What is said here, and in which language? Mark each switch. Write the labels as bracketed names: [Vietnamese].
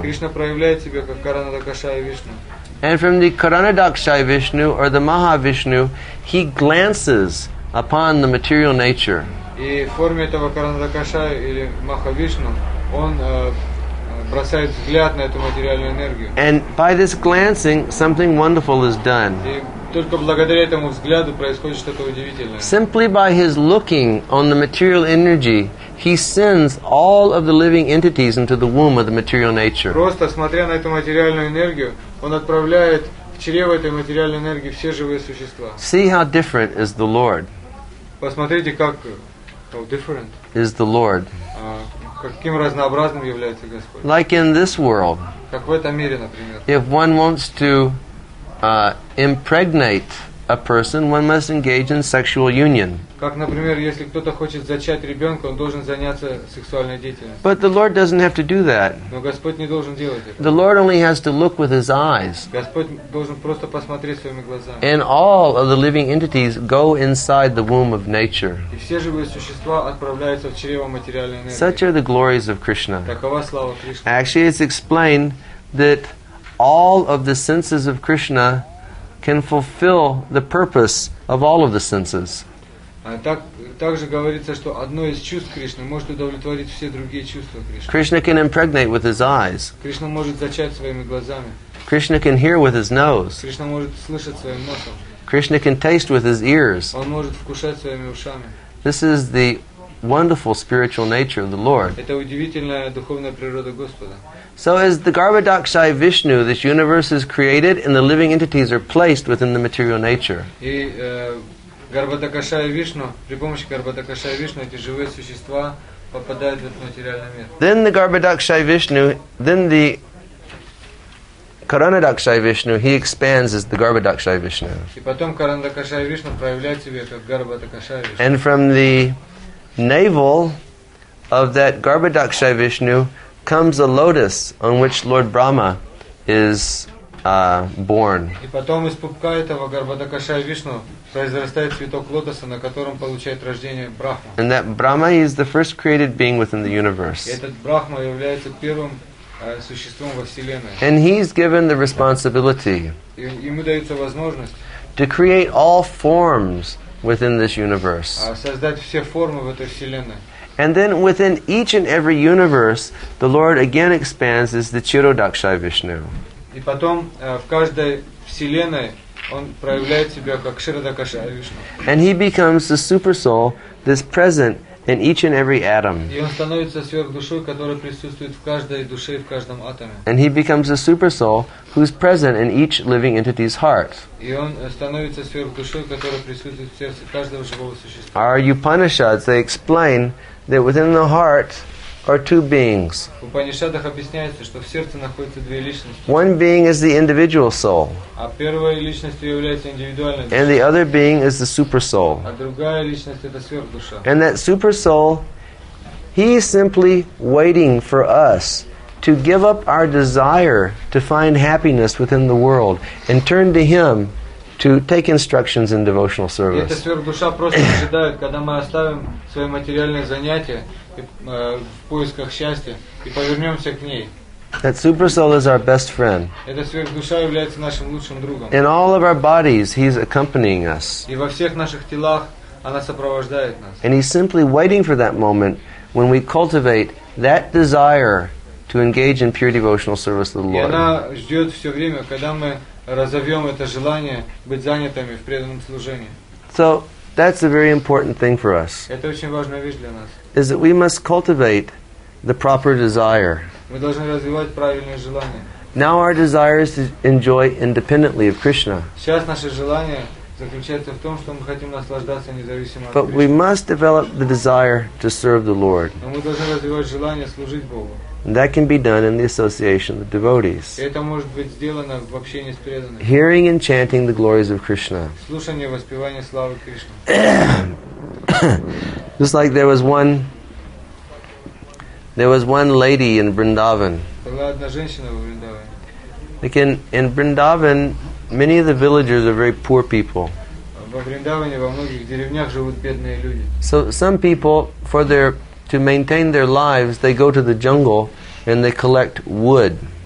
[Russian] Кришна проявляет себя как Карана Дакшай Вишну. [English] And from the Karana Dakshai Vishnu or the Mahavishnu, he glances upon the material nature. [Russian] И в форме этого Каранадакаша или Махавишну он бросает взгляд на эту материальную энергию. [English] And by this glancing, something wonderful is done. [Russian] И только благодаря этому взгляду происходит что-то удивительное. [English] Simply by his looking on the material energy, he sends all of the living entities into the womb of the material nature. [Russian] Просто смотря на эту материальную энергию, он отправляет в чрево этой материальной энергии все живые существа. [English] See how different is the Lord. [Russian] Посмотрите, как [English] different is the Lord. [Russian] Каким разнообразным является Господь. [English] Like in this world. [Russian] Как в этом мире, например. [English] If one wants to impregnate a person, one must engage in sexual union. [Russian] Как, например, если кто-то хочет зачать ребенка, он должен заняться сексуальной деятельностью. [English] But the Lord doesn't have to do that. [Russian] Но Господь не должен делать это. [English] The Lord only has to look with his eyes. [Russian] Господь должен просто посмотреть своими глазами. [English] And all of the living entities go inside the womb of nature. [Russian] И все живые существа отправляются в чрево материальной энергии. [English] Such are the glories of Krishna. [Russian] Такова слава Кришны. [English] Actually, it's explained that all of the senses of Krishna can fulfill the purpose of all of the senses. [Russian] Также говорится, что одно из чувств Кришны может удовлетворить все другие чувства Кришны. [English] Krishna can impregnate with his eyes. [Russian] Кришна может зачать своими глазами. [English] Krishna can hear with his nose. [Russian] Кришна может слышать своим носом. [English] Krishna can taste with his ears. [Russian] Он может вкушать своими ушами. [English] This is the wonderful spiritual nature of the Lord. [Russian] Это удивительная духовная природа Господа. [English] So as the Garbhadakshai Vishnu, this universe is created and the living entities are placed within the material nature. [Russian] И Garbhadakshai Vishnu, при помощи Garbhadakshai Vishnu, эти живые существа попадают в этот материальный мир. [English] Then the Garbhadakshai Vishnu, then the Karanadakshai Vishnu, he expands as the Garbhadakshai Vishnu. [Russian] И потом Karanadakshai Vishnu проявляет себя как Garbhadakshai Vishnu. [English] And from the navel of that Garbhadakshai Vishnu comes a lotus on which Lord Brahma is born. [Russian] И потом из пупка этого Garbhadakshai Vishnu произрастает цветок лотоса, на котором получает рождение Брахма. [English] And that Brahma is the first created being within the universe. [Russian] И этот Брахма является первым существом во вселенной. [English] And he is given the responsibility. [Russian] И ему дается возможность [English] to create all forms within this universe. [Russian] Создать все формы в этой вселенной. [English] And then within each and every universe, the Lord again expands as the Chirodakshai Vishnu. [Russian] И потом в каждой вселенной он проявляет себя как Широдакшай Вишну. [English] And he becomes the super soul that's present in each and every atom. [Russian] И он становится сверхдушой, которая присутствует в каждой душе и в каждом атоме. [English] And he becomes the super soul who's present in each living entity's heart. [Russian] И он становится сверхдушой, которая присутствует в сердце каждого живого существа. [English] Our Upanishads, they explain that within the heart are two beings. [Russian] В Упанишадах объясняется, что в сердце находятся две личности. [English] One being is the individual soul. [Russian] А первая личность является индивидуальной душой. [English] And the other being is the super soul. [Russian] А другая личность это сверхдуша. [English] And that super soul, he is simply waiting for us to give up our desire to find happiness within the world and turn to him to take instructions in devotional service. [Russian] Эта сверхдуша просто ожидает, когда мы оставим свои материальные занятия в поисках счастья и повернемся к ней. [English] That super soul is our best friend. [Russian] Эта сверхдуша является нашим лучшим другом. [English] In all of our bodies, he's accompanying us. [Russian] И во всех наших телах она сопровождает нас. [English] And he's simply waiting for that moment when we cultivate that desire to engage in pure devotional service to the Lord. [Russian] И она ждет все время, когда мы разовьем это желание быть занятыми в преданном служении. [English] So that's a very important thing for us. [Russian] Это очень важная вещь для нас. [English] Is that we must cultivate the proper desire. [Russian] Мы должны развивать правильное желание. [English] Now our desire is to enjoy independently of Krishna. [Russian] Сейчас наше желание заключается в том, что мы хотим наслаждаться независимо от [English] But [Russian] Кришны. [English] We must develop the desire to serve the Lord. [Russian] Но мы должны развивать желание служить Богу. [English] And that can be done in the association of the devotees. [Russian] Это может быть сделано в общении с преданными. [English] Hearing and chanting the glories of Krishna. [Russian] Слушание и воспевание славы Кришны. [English] Just like there was one lady in Vrindavan. [Russian] Была одна женщина в Вриндаване. [English] Like in Vrindavan, many of the villagers are very poor people. [Russian] Во Вриндаване во многих деревнях живут бедные люди. [English] So some people for their to maintain their lives, they go to the jungle and they collect wood.